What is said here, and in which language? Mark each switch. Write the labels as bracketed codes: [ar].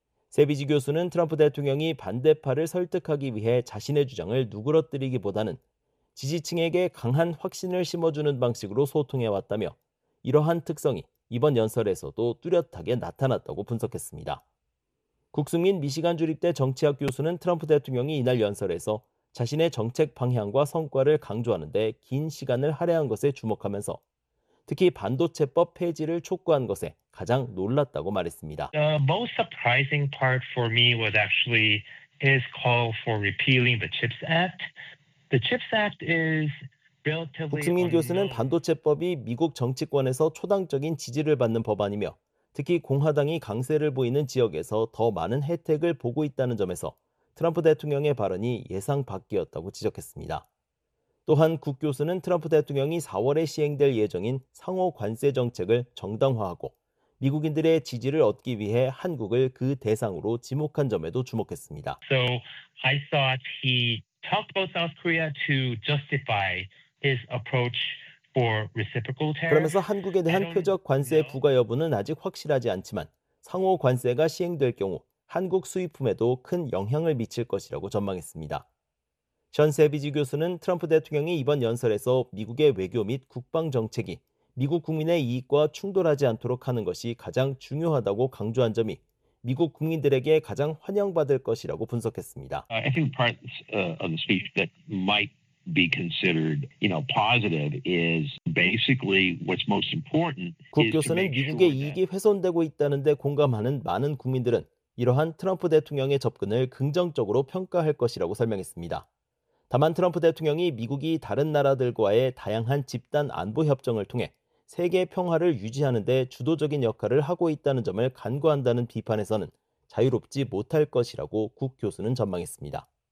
[ko] 세비지 교수는 트럼프 대통령이 반대파를 설득하기 위해 자신의 주장을 누그러뜨리기보다는 지지층에게 강한 확신을 심어주는 방식으로 소통해왔다며 이러한 특성이 이번 연설에서도 뚜렷하게 나타났다고 분석했습니다. 국승민 미시간 주립대 정치학 교수는 트럼프 대통령이 이날 연설에서 자신의 정책 방향과 성과를 강조하는 데 긴 시간을 할애한 것에 주목하면서 특히 반도체법 폐지를 촉구한 것에 가장 놀랐다고 말했습니다. [en] The most surprising part for me was actually his call for repealing the CHIPS Act. The CHIPS Act is relatively [ko] 국승민 교수는 반도체법이 미국 정치권에서 초당적인 지지를 받는 법안이며 특히 공화당이 강세를 보이는 지역에서 더 많은 혜택을 보고 있다는 점에서 트럼프 대통령의 발언이 예상 밖이었다고 지적했습니다. 또한 국 교수는 트럼프 대통령이 4월에 시행될 예정인 상호 관세 정책을 정당화하고 미국인들의 지지를 얻기 위해 한국을 그 대상으로 지목한 점에도 주목했습니다. [en] So I thought he talked about South Korea to justify his approach for reciprocal tariffs. [ko] 그러면서 한국에 대한 표적 관세 부과 여부는 아직 확실하지 않지만 상호 관세가 시행될 경우 한국 수입품에도 큰 영향을 미칠 것이라고 전망했습니다. 전 세비지 교수는 트럼프 대통령이 이번 연설에서 미국의 외교 및 국방 정책이 미국 국민의 이익과 충돌하지 않도록 하는 것이 가장 중요하다고 강조한 점이 미국 국민들에게 가장 환영받을 것이라고 분석했습니다. [en] I think part of the speech that might be considered, you know, positive is basically what's most important. [ko] 국 교수는 미국의 이익이 훼손되고 있다는 데 공감하는 많은 국민들은 이러한 트럼프 대통령의 접근을 긍정적으로 평가할 것이라고 설명했습니다. 다만 트럼프 대통령이 미국이 다른 나라들과의 다양한 집단 안보 협정을 통해 세계 평화를 유지하는 데 주도적인 역할을 하고 있다는 점을 간과한다는 비판에서는 자유롭지 못할 것이라고 국 교수는 전망했습니다.